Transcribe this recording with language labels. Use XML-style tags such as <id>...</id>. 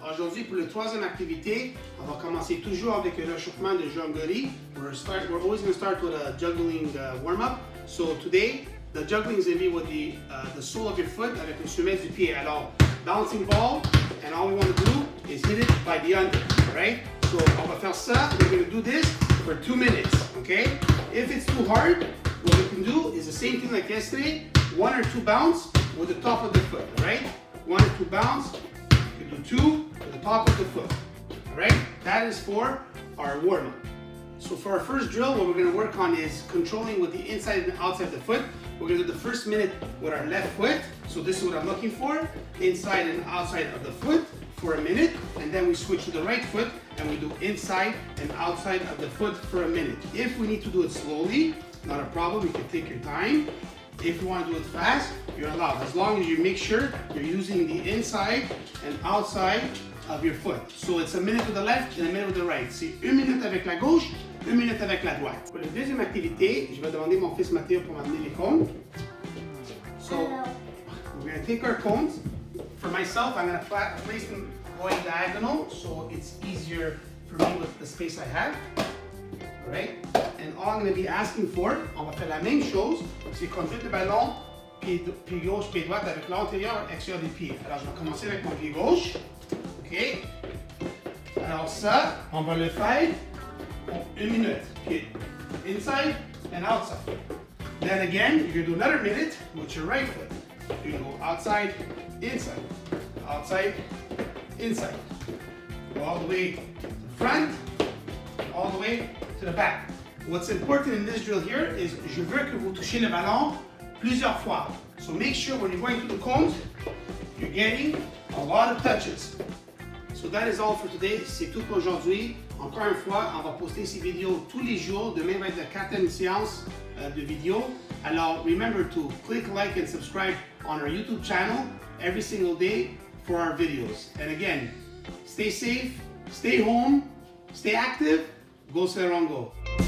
<fr>Aujourd'hui, pour la troisième activité, on va commencer toujours avec un réchauffement de jonglerie.</fr> <en>We're always going to start with a juggling warm-up. So today, the juggling is going to be with the sole of your foot</en> <fr>avec le sommet du pied.</fr> <en>Alors, bouncing ball, and all we want to do is hit it by the under, right? So</en> <fr>on va faire ça,</fr> <en>we're going to do this for 2 minutes, okay? If it's too hard, what we can do is the same thing like yesterday, one or two bounce with the top of the foot, right? One or two bounce, you can do two with the top of the foot, all right? That is for our warm-up. So for our first drill, what we're gonna work on is controlling with the inside and outside of the foot. We're gonna do the first minute with our left foot. So this is what I'm looking for, inside and outside of the foot for a minute. And then we switch to the right foot and we do inside and outside of the foot for a minute. If we need to do it slowly, not a problem, you can take your time. If you want to do it fast, you're allowed, as long as you make sure you're using the inside and outside of your foot. So it's a minute with the left and a minute with the right.</en> <fr>C'est une minute avec la gauche, une minute avec la droite. Pour la deuxième activité, je vais demander mon fils Mathieu pour m'amener les cones.</fr> <en>So, hello. We're going to take our cones. For myself, I'm going to place them going diagonal, so it's easier for me with the space I have. Right? And all I'm going to be asking for,</en> <fr>on va faire la même chose, c'est conduire le ballon pied gauche, pied droite avec l'antérieur, extérieur du pied. Alors, je vais commencer avec mon pied gauche. OK? Alors, ça, on va le faire pour une minute.</fr> <en>Pied inside and outside. Then again, you're going to do another minute with your right foot. You go outside, inside, outside, inside. Go all the way to the front, all the way to the back. What's important in this drill here is</en> <fr>je veux que vous touchez le ballon plusieurs fois.</fr> <en>So make sure when you're going through the cones, you're getting a lot of touches. So that is all for today.</en> <fr>C'est tout pour aujourd'hui. Encore une fois, on va poster ces vidéos tous les jours. Demain va être la 4e séance de vidéo.</fr> <en>Alors, remember to click like and subscribe on our YouTube channel every single day for our videos. And again, stay safe, stay home, stay active. Go Serongo.</en>